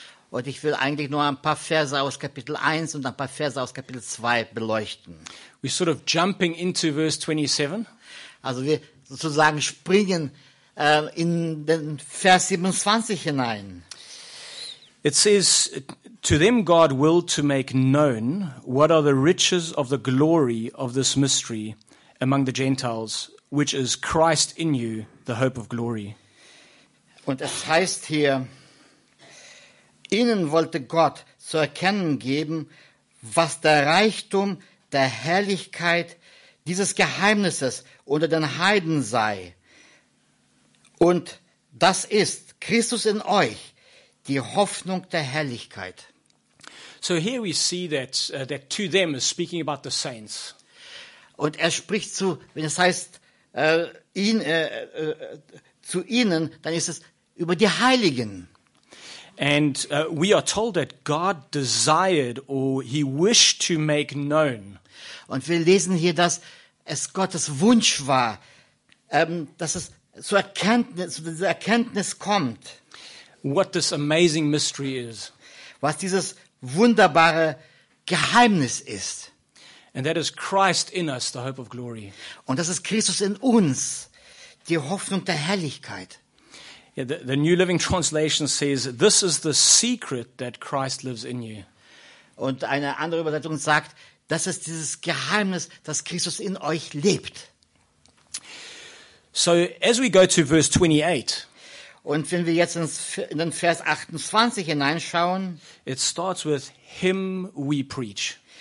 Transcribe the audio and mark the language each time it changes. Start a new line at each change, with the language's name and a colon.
German: Und ich will eigentlich nur ein paar Verse aus Kapitel 1 und ein paar Verse aus Kapitel 2 beleuchten.
English: We're sort of jumping into verse 27.
German: Also wir sozusagen springen in den Vers 27 hinein.
English: It says, to them God willed to make known what are the riches of the glory of this mystery among the Gentiles, which is Christ in you, the hope of glory.
German: Und es heißt hier, ihnen wollte Gott zu erkennen geben, was der Reichtum der Herrlichkeit dieses Geheimnisses unter den Heiden sei. Und das ist Christus in euch, die Hoffnung der Herrlichkeit.
English: So here we see that that to them is speaking about the saints.
German: Und er spricht zu, wenn es heißt zu ihnen, dann ist es über die Heiligen.
English: And we are told that God desired or he wished to make known.
German: Und wir lesen hier, dass es Gottes Wunsch war, dass es zu dieser Erkenntnis kommt.
English: What this amazing mystery is.
German: Was dieses wunderbare Geheimnis ist.
English: And that is Christ in us, the hope of glory.
German: Und das ist Christus in uns, die Hoffnung der Herrlichkeit.
English: Yeah, the New Living Translation says, this is the secret that Christ lives in you.
German: Und eine andere Übersetzung sagt, das ist dieses Geheimnis, dass Christus in euch lebt.
English: So as we go to verse 28.
German: Und wenn wir jetzt in den Vers 28 hineinschauen,
English: it starts with him we preach.